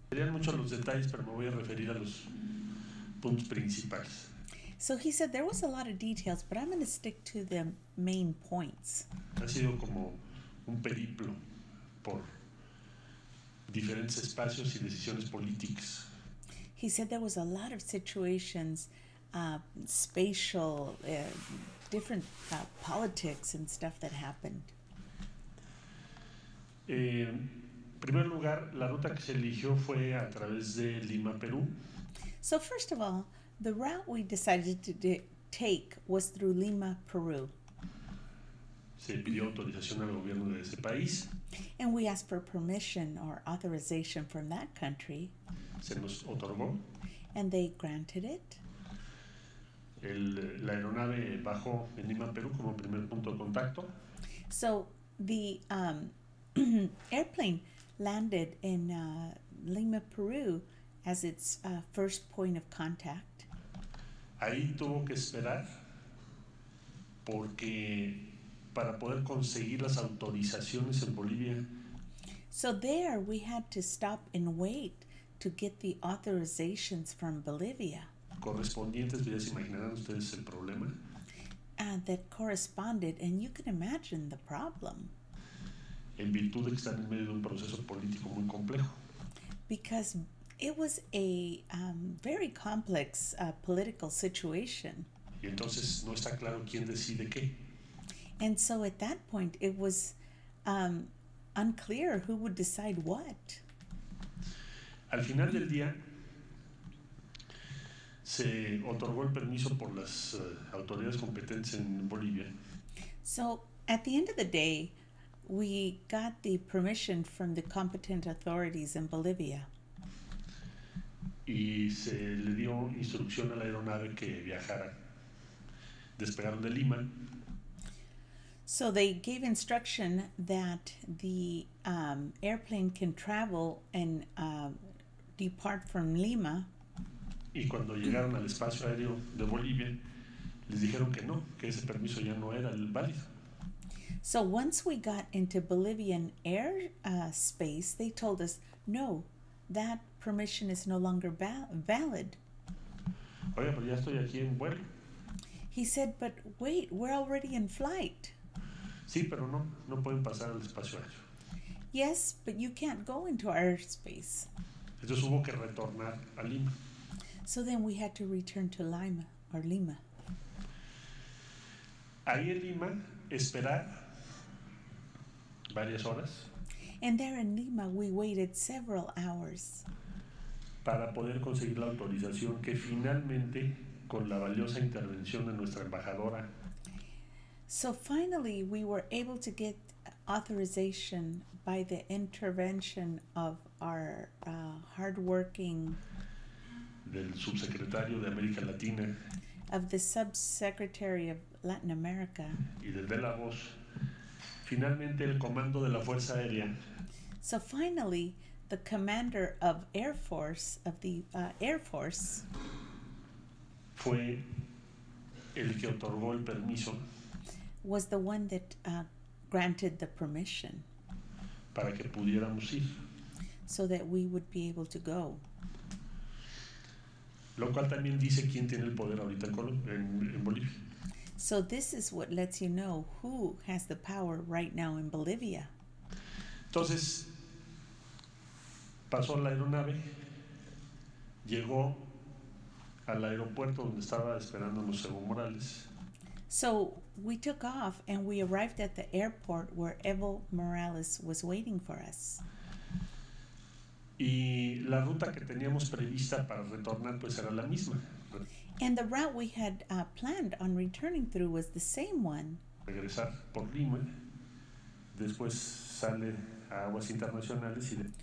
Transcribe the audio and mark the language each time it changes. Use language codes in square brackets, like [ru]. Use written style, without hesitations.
[es] Serían muchos los detalles, pero me voy a referir a los puntos principales. [en] So he said there was a lot of details, but I'm going to stick to the main points. [es] Ha sido como un periplo por diferentes espacios y decisiones políticas. [en] He said there was a lot of situations, spatial, different politics and stuff that happened. [es] En primer lugar, la ruta que se eligió fue a través de Lima, Perú. [en] So first of all, the route we decided to take was through Lima, Peru. [es] Se pidió autorización al gobierno de ese país. [en] And we asked for permission or authorization from that country. [es] Se nos otorgó. [en] And they granted it. [es] La aeronave bajó en Lima, Perú como primer punto de contacto. [en] So the airplane landed in Lima, Peru as its first point of contact. [es] Ahí tuvo que esperar porque para poder conseguir las autorizaciones en Bolivia. [en] So there we had to stop and wait to get the authorizations from Bolivia. [es] Correspondientes, ya se imaginarán ustedes el problema. [en] That corresponded, and you can imagine the problem. [es] en virtud de que están en medio de un proceso político muy complejo. [en] Because it was a very complex political situation. [es] Y entonces no está claro quién decide qué. [en] And so at that point it was unclear who would decide what. [es] Al final del día se otorgó el permiso por las autoridades competentes en Bolivia. [en] So at the end of the day we got the permission from the competent authorities in Bolivia. [es] Y se le dio instrucción a la aeronave que viajara. Despegaron de Lima. [en] So they gave instruction that the airplane can travel and depart from Lima. [es] Y cuando llegaron al espacio aéreo de Bolivia, les dijeron que no, que ese permiso ya no era válido. [en] So once we got into Bolivian air space, they told us, no, that permission is no longer valid. [es] Oye, pero ya estoy aquí en vuelo. [en] He said, but wait, we're already in flight. [es] Sí, pero no, no pueden pasar al espacio aéreo. [en] Yes, but you can't go into our airspace. [es] Entonces hubo que retornar a Lima. [en] So then we had to return to Lima, or Lima. [es] Ahí en Lima, esperar varias horas. [en] And there in Lima, we waited several hours. [es] Para poder conseguir la autorización que finalmente, con la valiosa intervención de nuestra embajadora. [en] So finally, we were able to get authorization by the intervention of our hardworking [es] del subsecretario de América Latina, [en] of the subsecretary of Latin America, [es] y del de la voz, finalmente el comando de la Fuerza Aérea. [en] So finally, the commander of Air Force, of the Air Force, [es] fue el que otorgó el permiso. [en] Was the one that granted the permission. [es] Para que pudiéramos ir. [en] So that we would be able to go. [es] Lo cual también dice quién tiene el poder ahorita en Bolivia. [en] So this is what lets you know who has the power right now in Bolivia. [es] Entonces, pasó la aeronave, llegó al aeropuerto donde estaba esperando los Evo Morales. [en] So we took off and we arrived at the airport where Evo Morales was waiting for us. [es] Y la ruta que teníamos prevista para retornar pues era la misma. [en] And the route we had planned on returning through was the same one. [es] Regresar por Lima, después sale a aguas internacionales y de...